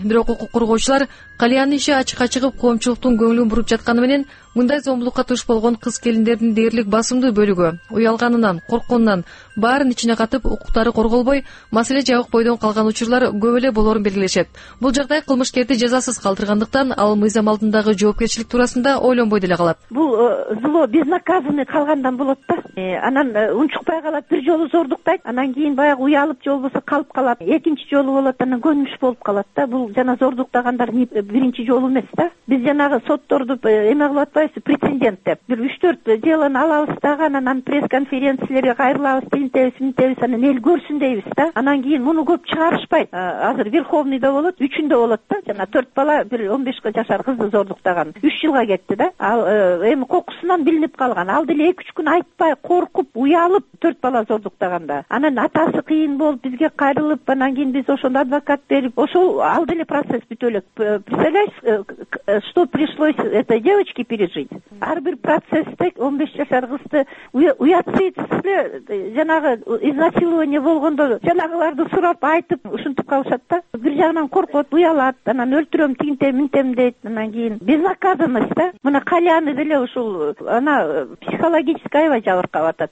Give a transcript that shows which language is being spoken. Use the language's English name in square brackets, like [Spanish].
[Kyrgyz] Бирок укук коргоочулар Калиянын иши ачыкка чыгып, коомчулуктун көңүлүн буруп жатканы менен мындай зомбулукка туш болгон кыз келиндердин дээрлик басымдуу бөлүгү уялганынан, коркконунан, баарын ичине катып, укуктары корголбой, маселе жабык бойдон калган учурлар көп эле болорун белгилешет. Бул жагдай кылмышкерди жазасыз калтыргандыктан ал мыйзам алдындагы жоопкерчилик туурасында ойлонбой деле калат. Бул [Russian] зло безнаказанный [Kyrgyz] калгандан болот да. Анан унчукпай калат, бир жолу зордуктайт, анан кийин баягы уялып же болбосо калып калат, экинчи жолу болот, анан көнүмүш болуп калат да. Бул жана зордуктагандар биринчи жолу эмес да. Биз жанагы сотторду эме кылып атпайбызбы, прецедент деп бир 3-4 делону алабыз дагы, анан пресс конференцияларга кайрылабыз, тинтебиз, минтебиз, анан эл көрсүн дейбиз да. Анан кийин муну көп чыгарышпайт. Азыр Верховныйда болот, үчүндө болот да. Жана 4 бала бир 15 жашар кызды зордуктаган 3 жылга кетти да. Ал эми кокусунан билинип калган, ал деле 2-3 күн айтпай коркуп уялып 4 бала зордуктаган да. Анан атасы кыйын болуп бизге кайрылып, анан кийин биз ошондо адвокат берип, ошол ал деле процесс бүтө элек. [Russian] Представляешь, что пришлось этой девочке пережить. [Kyrgyz] Ар бир процессте 15 жашар кызды уятсыз эле жанагы изнасилование болгондо жанагыларды сурап айтып ушинтип калышат да. Бир жагынан коркот, уялат, анан өлтүрөм, тигинтем, минтем дейт, анан кийин безнаказанность да. Мына Калияны деле ушул ана психологический аябай жабыркап атат.